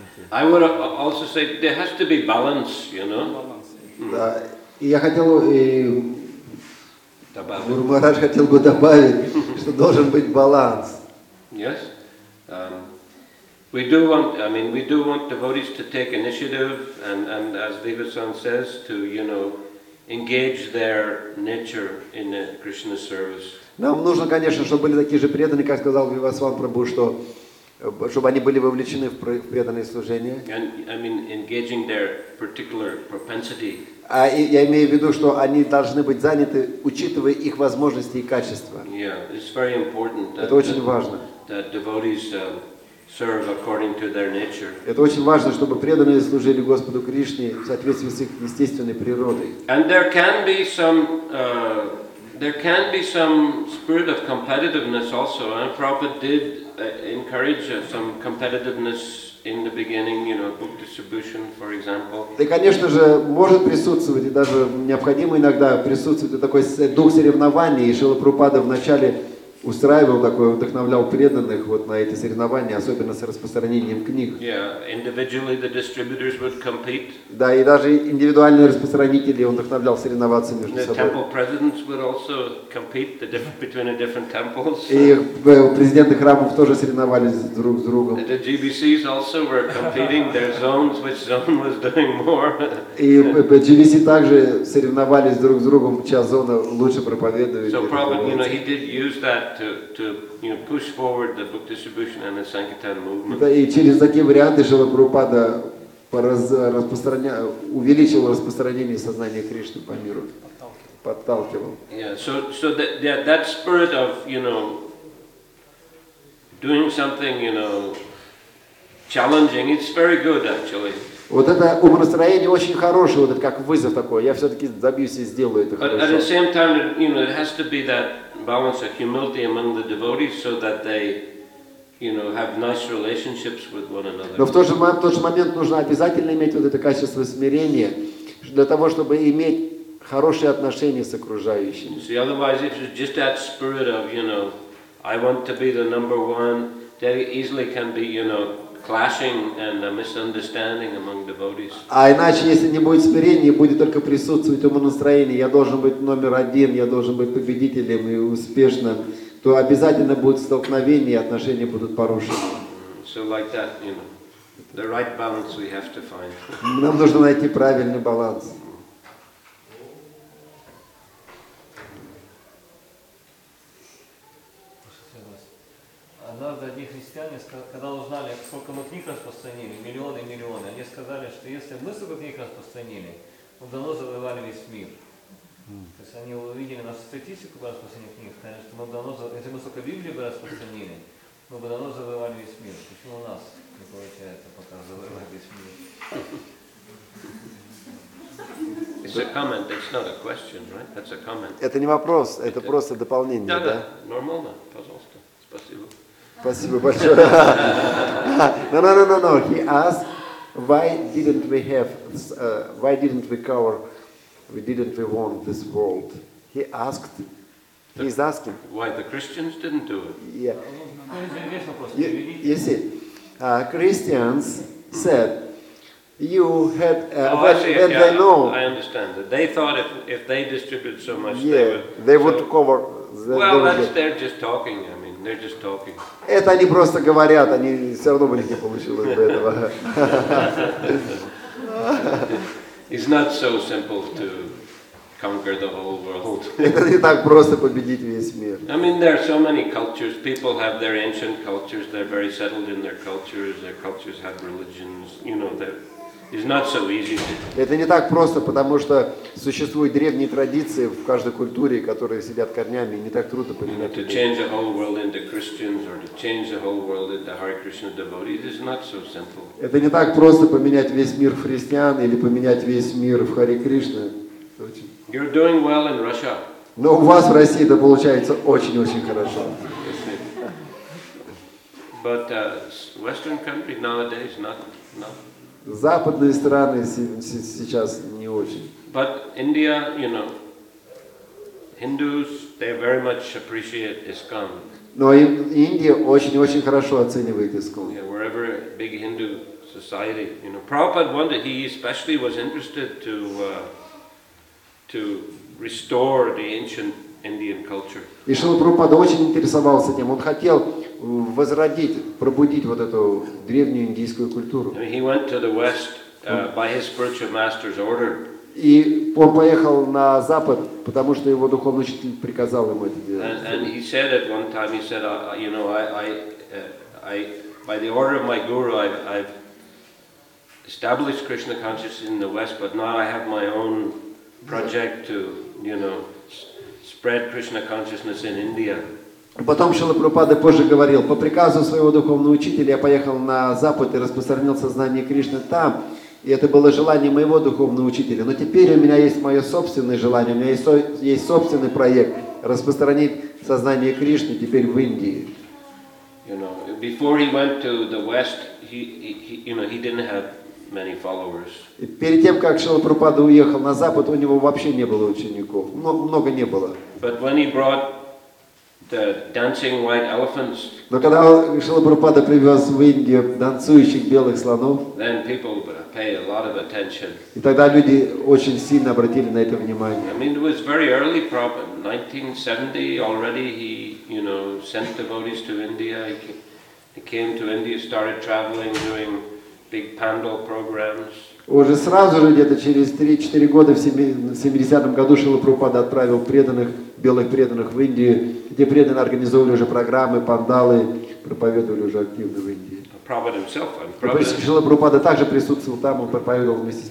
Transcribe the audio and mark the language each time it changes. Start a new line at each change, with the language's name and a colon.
English: I would also say there has to be balance, you know.
Russian: Я хотел добавить. Гуру Махарадж хотел бы добавить, что должен быть баланс.
English: Yes. We do want, I mean, we do want devotees to take initiative and as Vivasan says, to, you know, engage their nature in the Krishna service.
Russian: Нам нужно, конечно, чтобы были такие же преданные, как сказал Вивасван Прабху, что чтобы они были вовлечены в преданное служение.
English: And I mean, engaging their particular propensity.
Russian: А я имею в виду, что они должны быть заняты, учитывая их возможности и качества.
English: Yeah, it's very important.
Russian: Это очень важно.
English: That devotees serve according to their nature.
Russian: Это очень важно, чтобы преданные служили Господу Кришне в соответствии с их естественной природой.
English: And there can be some spirit of competitiveness also. And Prabhupada did encourage some competitiveness in the beginning, you know, book distribution, for example.
Russian: Да, конечно же, может присутствовать и даже необходимо иногда присутствовать такой дух соревнований. И Шрила Прабхупада в начале устраивал такое, вдохновлял преданных вот на эти соревнования, особенно с распространением книг.
English: Yeah, individually the distributors would compete.
Russian: Да, и даже индивидуальные распространители он вдохновлял соревноваться между
English: the
Russian: собой.
English: The temple presidents would also compete between the different temples.
Russian: И президенты храмов тоже соревновались друг с другом.
English: The GBCs also were competing their zones, which zone was doing more.
Russian: И GBC также соревновались друг с другом, чья зона лучше проповедует.
English: So probably, you know, he did use that to you know, push forward the book distribution and the Sankirtan movement.
Russian: Да, и через такие варианты Шрила Прабхупада увеличил распространение сознания Кришны по миру, подталкивал.
English: Yeah, so that spirit of, you know, doing something, you know, challenging, it's very good actually.
Russian: Вот это умонастроение очень хорошее, вот это как вызов такой. Я все-таки добьюсь и сделаю это хорошо.
English: But at the same time, you know, it has to be that balance of humility among the devotees so that they you know, have nice relationships with one another.
Russian: Но в тот же момент нужно обязательно иметь вот это качество смирения для того, чтобы иметь хорошие отношения с окружающими.
English: See, otherwise, if it's just that spirit of, you know, I want to be the number one, that easily can be, you know, clashing and a misunderstanding among devotees.
Russian: А иначе, если не будет смирения, будет только присутствовать ума настроение, я должен быть номер один, я должен быть победителем и успешным, то обязательно будет столкновение, и отношения будут порушены.
English: So like that, you know, the right balance we have to find.
Russian: Нам нужно найти правильный баланс. Однажды одни христиане, когда узнали, сколько мы книг распространили, миллионы и миллионы, они сказали, что если бы мы столько книг распространили, мы давно завоевали весь мир. То есть они увидели нашу статистику по распространению книг, сказали, что мы давно, если бы мы столько Библии бы распространили, мы бы давно завоевали весь мир. Почему у нас не получается пока завоевать весь мир?
English: It's a comment, it's not a question, right? That's a comment.
Russian: Это не вопрос, это просто дополнение, да? Нормально, пожалуйста. Спасибо. Спасибо большое.
English: No. He asked, why didn't we want this world? He asked. He's asking. Why the Christians didn't do it? Yeah. You see, Christians said, you had. I understand. They thought if they distributed so much, yeah, they would cover. They're just talking. I mean, they're just talking.
Russian: Это они просто говорят, они все равно бы не получили бы этого.
English: It's not so simple to conquer the whole world.
Russian: Это не так просто победить весь мир.
English: I mean, there are so many cultures. People have their ancient cultures. They're very settled in their cultures. Their cultures have religions. You know, that it's not so easy.
Russian: Это не так просто, потому что существуют древние традиции в каждой культуре, которые сидят корнями, и не так трудно поменять.
English: To change the whole world into Christians or to change the whole world into Hare Krishna devotees is not so simple.
Russian: Это не так просто поменять весь мир в христиан или поменять весь мир в Харе Кришна.
English: You're doing well in Russia.
Russian: Но у вас в России это получается очень-очень хорошо.
English: But Western countries nowadays not.
Russian: Западные страны сейчас не очень.
English: But India, you know, Hindus, they very much appreciate ISKCON.
Russian: Но Индия очень-очень хорошо оценивает ISKCON.
English: Yeah, wherever big Hindu society, you know, Prabhupada wanted, he especially was interested to restore the ancient Indian culture.
Russian: И Шрила Прабхупада очень интересовался этим. Он хотел возродить, пробудить вот эту древнюю индийскую культуру.
English: He went to the West by his spiritual master's order.
Russian: И он поехал на Запад, потому что его духовный учитель приказал ему это делать.
English: And he said at one time, he said, you know, I by the order of my guru, I've established Krishna consciousness in the West, but now I have my own project to, you know, spread Krishna consciousness in India.
Russian: Потом Шрила Прабхупада позже говорил, по приказу своего духовного учителя я поехал на Запад и распространил сознание Кришны там. И это было желание моего духовного учителя. Но теперь у меня есть мое собственное желание, у меня есть собственный проект распространить сознание Кришны теперь в Индии.
English: You know, before he went to the West, he didn't have many followers.
Russian: Перед тем, как Шрила Прабхупада уехал на Запад, у него вообще не было учеников. Много не было.
English: But when he brought the dancing white elephants.
Russian: Но когда Шрила Прабхупада привез в Индию танцующих белых слонов,
English: then people paid a lot of attention.
Russian: И тогда люди очень сильно обратили на это внимание.
English: I mean, it was very early problem. 1970 already he, you know, sent devotees to India. He came to India, started traveling, doing big pandal programs.
Russian: Уже сразу же, где-то через 3-4 года, в 70-м году Шрила Прабхупада отправил преданных, белых преданных в Индию, где преданные организовывали уже программы, пандалы, проповедовали уже активно в Индии. Шрила Прабхупада также присутствовал там, он проповедовал вместе с